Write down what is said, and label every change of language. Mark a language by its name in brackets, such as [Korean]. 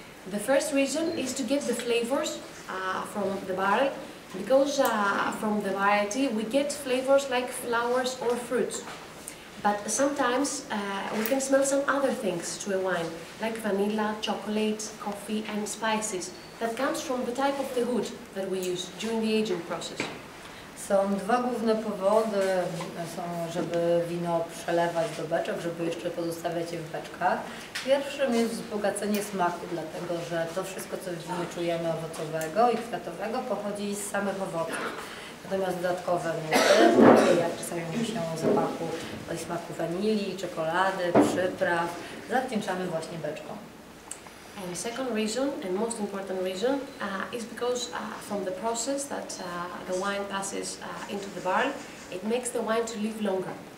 [English] The first reason is to get the flavors from the barrel, because from the variety we get flavors like flowers or fruits. But sometimes we can smell some other things to a wine, like vanilla, chocolate, coffee and spices. That comes from the type of the wood that we use during the aging process. [Polish] Są dwa główne powody, są, żeby wino przelewać do beczek, żeby jeszcze pozostawiać je w beczkach. Pierwszym jest wzbogacenie smaku, dlatego że to wszystko, co w winie czujemy owocowego i kwiatowego, pochodzi z samych owoców. Natomiast dodatkowe nuty, jak czasami mówi się o zapachu, o smaku wanilii, czekolady, przypraw, zawdzięczamy właśnie beczką. [English] And the second reason, and most important reason, is because from the process that the wine passes into the barrel, it makes the wine to live longer.